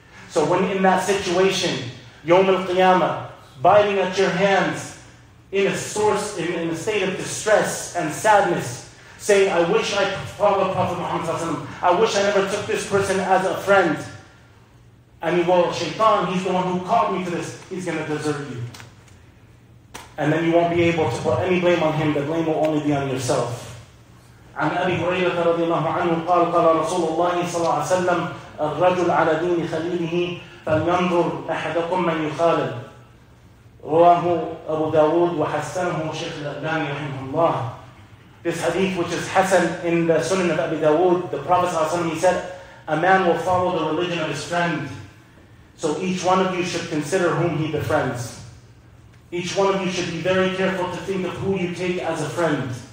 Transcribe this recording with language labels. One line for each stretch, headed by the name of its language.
English: So when in that situation, Yawm al-Qiyamah, biting at your hands in a state of distress and sadness, say, I wish I followed Prophet Muhammad. I wish I never took this person as a friend. And well, shaitan, he's the one who called me to this, he's going to desert you. And then you won't be able to put any blame on him, the blame will only be on yourself.
Arabic: عن أبي هريرة رضي الله عنه قال قال رسول الله صلى الله عليه وسلم الرجل على دين خليله فلينظر أحدكم من يخالل رواه أبو داود وحسنه شيخ الألباني رحمه الله.
English: This hadith, which is Hassan in the Sunan of Abi Dawood, the Prophet صلى الله عليه وسلم, he said, a man will follow the religion of his friend. So each one of you should consider whom he befriends. Each one of you should be very careful to think of who you take as a friend.